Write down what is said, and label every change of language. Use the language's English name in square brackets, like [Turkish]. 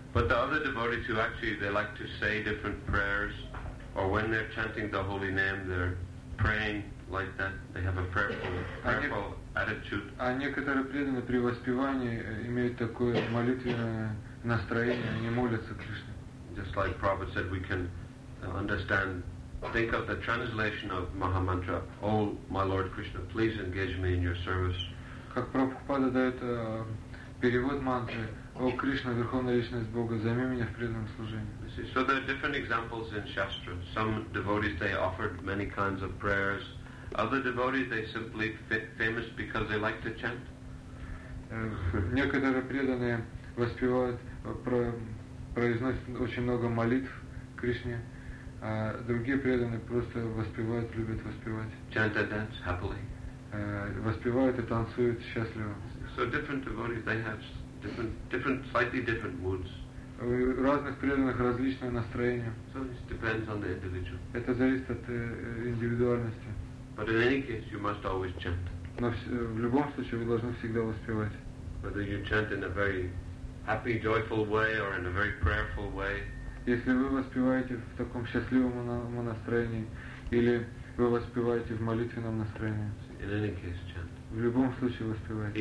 [English] But the other devotees who actually, they like to say different prayers, or when they're chanting the holy name, they're praying like that. They have a prayerful attitude. [Russian] А некоторые преданные при воспевании имеют такое молитвенное настроение, они молятся Кришне. [English] Just like Prabhupada said, we can understand. Think of the translation of Maha Mantra. Oh, my Lord Krishna, please engage me in your service. [Russian] Как Прабхупада дает перевод мантры. О, Кришна, Верховная Личность Бога, займи меня в преданном служении. [English] So there are different examples in Shastra. Some devotees, they offered many kinds of prayers. Other devotees, they simply famous because they like to chant. [Russian] Некоторые преданные воспевают, произносят очень много молитв Кришне, а другие преданные просто воспевают, любят воспевать. [English] Chant and dance happily. [Russian] Воспевают и танцуют счастливо. [English] So different devotees, they have different, slightly different moods. [Russian] У разных преданных различное настроение. [English] So it depends on the individual. [Russian] Это зависит от индивидуальности. [English] But in any case, you must always chant. [Russian] Но в любом случае вы должны всегда воспевать. [English] Whether you chant in a very happy, joyful way or in a very prayerful way. [Russian] Если вы воспеваете в таком счастливом настроении или вы воспеваете в молитвенном настроении. [English] In any case, chant. [Russian] В любом случае воспевайте.